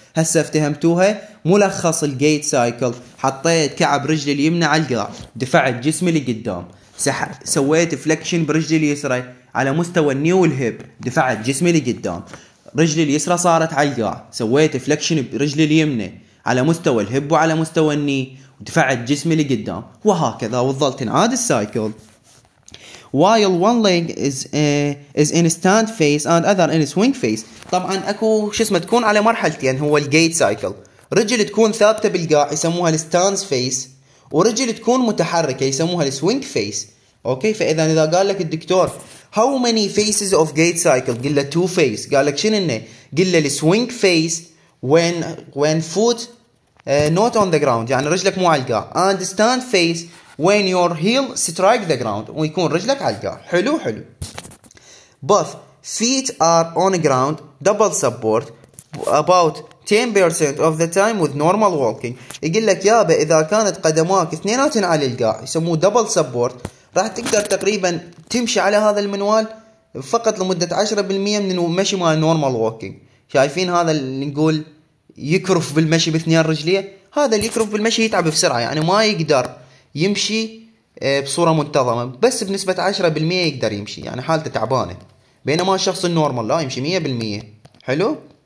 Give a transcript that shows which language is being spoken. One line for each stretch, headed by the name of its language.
Arabic: هسه افتهمتوها؟ ملخص الجيت سايكل، حطيت كعب رجلي اليمنى على القاع، دفعت جسمي لقدام، سويت فليكشن برجلي اليسرى على مستوى النيو والهيب، دفعت جسمي لقدام، رجلي اليسرى صارت على القاع، سويت فليكشن برجلي اليمنى على مستوى الهيب وعلى مستوى الني ودفعت جسمي لقدام، وهكذا. وظل تنعاد السايكل
English: while one leg is in stand phase and other in swing phase.
Arabic: طبعا اكو شو اسمه تكون على مرحلتين، هو الجيت سايكل، رجل تكون ثابته بالقاع يسموها الستانس فيس، ورجل تكون متحركه يسموها السوينج فيس. اوكي فاذا اذا قال لك الدكتور
English: how many phases of gate cycle،
Arabic: قل له 2 phase، قال لك شنو انه؟ قل له السوينج فيس
English: when foot not on the ground،
Arabic: يعني رجلك مو على القاع،
English: and stand phase when your heel strike the ground،
Arabic: ويكون رجلك على القاع. حلو حلو.
English: both feet are on ground double support about 10% of the time with normal walking.
Arabic: يقول لك يابا اذا كانت قدماك اثنيناتن على القاع يسموه دبل سبورت، راح تقدر تقريبا تمشي على هذا المنوال فقط لمده 10% من المشي مال نورمال ووكينج. شايفين هذا اللي نقول يكرف بالمشي باثنين رجليه؟ هذا اللي يكرف بالمشي يتعب بسرعه، يعني ما يقدر يمشي بصوره منتظمه، بس بنسبه 10% يقدر يمشي، يعني حالته تعبانه، بينما الشخص النورمال لا يمشي 100%. حلو.